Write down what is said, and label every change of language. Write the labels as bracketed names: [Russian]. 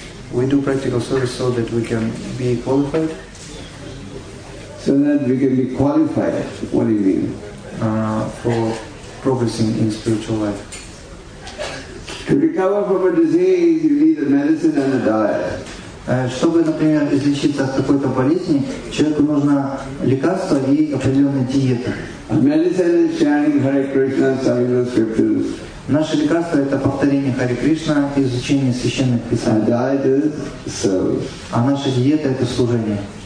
[English] We do practical service so that we can be qualified. So that we can be qualified. What do you mean? For progressing in spiritual life. To recover from a disease, you need a medicine and a diet. [Russian] Чтобы, например, излечиться от какой-то болезни, человеку нужно лекарство и определенная диета. [English] A medicine is chanting Hare Krishna, studying the scriptures. [Russian] Наше лекарство – это повторение Хари Кришна, изучение священных писаний. А наша диета – это служение.